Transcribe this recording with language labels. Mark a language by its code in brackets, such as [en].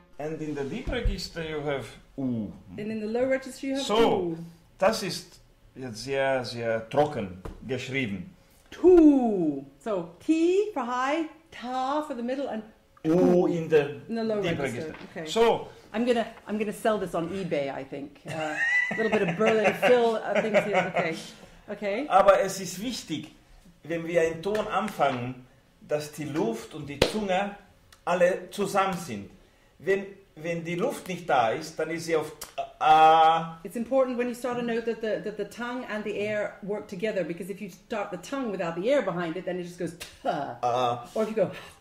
[en] And in the deep register you have U. And in the low register you have so, U. [de] So, das ist jetzt sehr, sehr trocken geschrieben. Tu. [en] So T for high, ta for the middle, and O in the low register. Okay. So I'm gonna sell this on eBay. I think a little bit of Berlin Phil things here. Okay. Okay. [de] Aber es ist wichtig, wenn wir einen Ton anfangen, dass die Luft und die Zunge alle zusammen sind. Wenn die Luft nicht da ist, dann ist sie auf [en] It's important when you start a note that the tongue and the air work together, because if you start the tongue without the air behind it, then it just goes or if you go